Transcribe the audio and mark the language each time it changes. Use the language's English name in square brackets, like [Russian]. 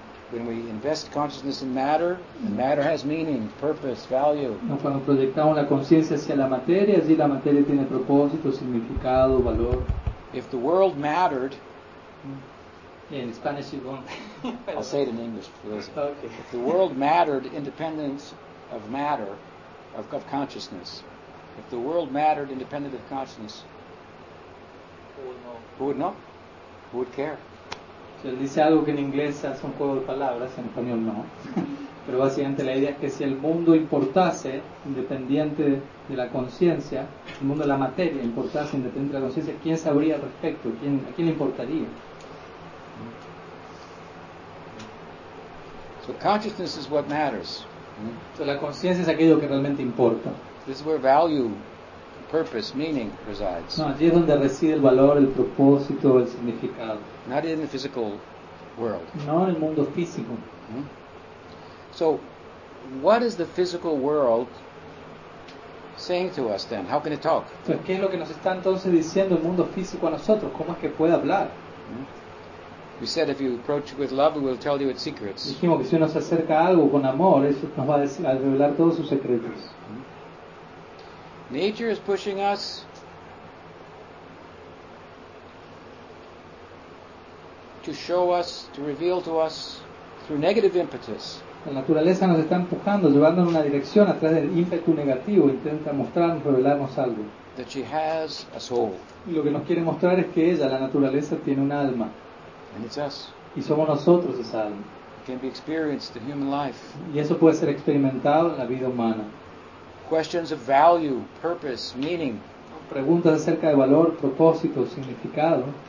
[English] When we invest consciousness in matter, the matter has meaning, purpose, value. [Spanish] No, cuando proyectamos la conciencia hacia la materia, allí la materia tiene propósito, significado, valor. [English] If the world mattered, in Spanish you won't. I'll say it in English, please. Okay. If the world mattered, independence of matter, of consciousness. If the world mattered independent of consciousness, who would know? Who would care? [Spanish] Si él dice algo que en inglés es un juego de palabras, en español no. Pero básicamente la idea es que si el mundo importase independiente de la conciencia, el mundo de la materia importase independiente de la conciencia, ¿quién sabría al respecto? ¿A quién le importaría? [English] So consciousness is what matters. [Spanish] So la conciencia es aquello que realmente importa. [English] This is where value, purpose, meaning resides. [Spanish] No, allí es donde reside el valor, el propósito, el significado. [English] Not in the physical world. [Spanish] No en el mundo físico. [English] So, what is the physical world saying to us then? How can it talk? [Spanish] Entonces, ¿qué es lo que nos está entonces diciendo el mundo físico a nosotros? ¿Cómo es que puede hablar? [English] We said if you approach it with love, it will tell you its secrets. [Spanish] Dijimos que si uno se acerca a algo con amor, eso nos va a revelar todos sus secretos. [English] Nature is pushing us to show us, to reveal to us through negative impetus. [Spanish] La naturaleza nos está empujando, llevando en una dirección a través del ímpetu negativo, intenta mostrarnos, revelarnos algo. [English] That she has a soul. [Spanish] Y lo que nos quiere mostrar es que ella, la naturaleza, tiene un alma. [English] And it's us. [Spanish] Y somos nosotros esa alma. [English] It can be experienced in human life. [Spanish] Y eso puede ser experimentado en la vida humana. [English] Questions of value, purpose, meaning. [Spanish] Preguntas acerca de valor, propósito, significado.